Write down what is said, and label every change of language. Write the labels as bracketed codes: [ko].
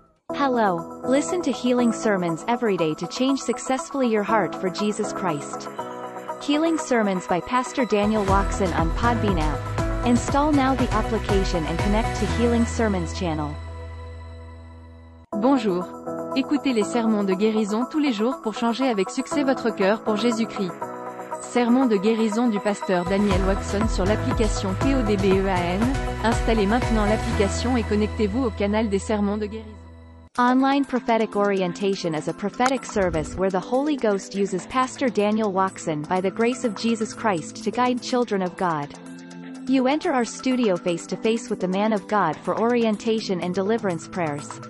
[en] Hello, listen to healing sermons every day to change successfully your heart for Jesus Christ. Healing Sermons by Pastor Daniel Oukson on Podbean app. Install now the application and connect to Healing Sermons channel. [fr] Bonjour. Écoutez les sermons de guérison tous les jours pour changer avec succès votre cœur pour Jésus-Christ. Sermons de guérison du pasteur Daniel Oukson sur l'application PODBEAN. Installez maintenant l'application et connectez-vous au canal des sermons de guérison. [en] Online Prophetic Orientation is a prophetic service where the Holy Ghost uses Pastor Daniel Oukson by the grace of Jesus Christ to guide children of God. You enter our studio face to face with the man of God for orientation and deliverance prayers.